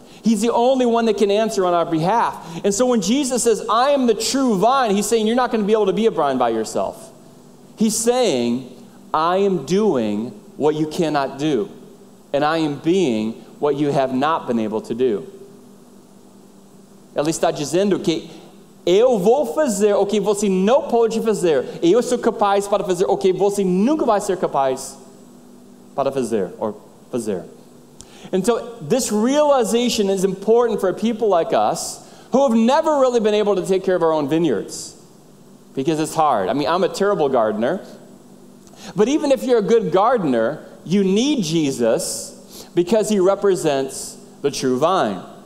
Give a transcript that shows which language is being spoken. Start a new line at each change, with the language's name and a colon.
English: He's the only one that can answer on our behalf. And so when Jesus says, I am the true vine, he's saying you're not going to be able to be a vine by yourself. He's saying, I am doing what you cannot do, and I am being what you have not been able to do.
Portuguese: Ela está dizendo que eu vou fazer o que você não pode fazer. Eu sou capaz para fazer o que você nunca vai ser capaz para fazer ou fazer.
English: And so this realization is important for people like us who have never really been able to take care of our own vineyards because it's hard. I mean, I'm a terrible gardener. But even if you're a good gardener, you need Jesus because he represents the true vine.